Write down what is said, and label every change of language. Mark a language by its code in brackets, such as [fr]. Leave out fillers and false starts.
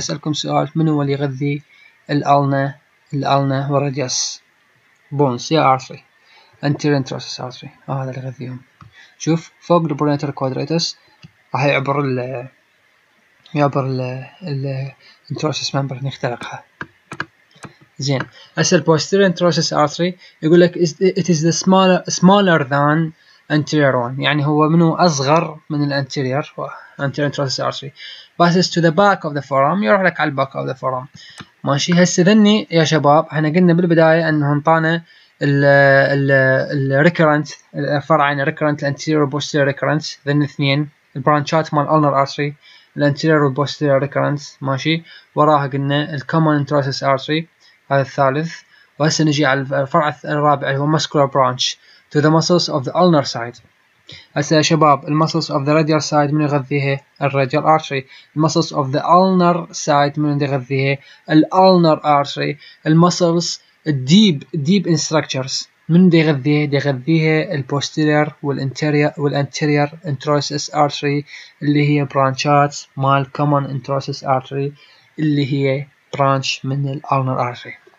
[ar] اسالكم سؤال، من هو اللي يغذي الالنا والراديوس بونس يا ارتري؟ انتيرير انتروسس ارتري هذا اللي يغذيهم. شوف فوق البرونيتر كوادريتس راح يعبر ال الانتروسس ممبر يخترقها. [en] زين اسال posterior interosseous artery يقول لك it is the smaller than anterior one، [ar] يعني هو منه اصغر من الانتيرير [en] anterior interosseous artery passes to the back of the forearm، يروح لك على الباك اوف ذا فورام. [ar] ماشي، هسه ذني يا شباب احنا قلنا بالبدايه انه انطانا ال recurrent الفرعين recurrent anterior posterior recurrent ذني اثنين البرانشات مال ulnar artery الانتيرير والبوستيرير recurrent. ماشي، وراها قلنا الكومن interosseous artery هذا الثالث، وهسه نجي على الفرع الرابع اللي هو muscular branch to the muscles of the ulnar side. [en] هسه يا شباب ال muscles of the radial side من يغذيها؟ ال radial artery. ال muscles of the ulnar side من يغذيها؟ ال ulnar artery. ال muscles deep in structures من يغذيها؟ يغذيها ال posterior والanterior interosseous artery اللي هي branchات مال common interosseous artery اللي هي branch من الالنر ارتري.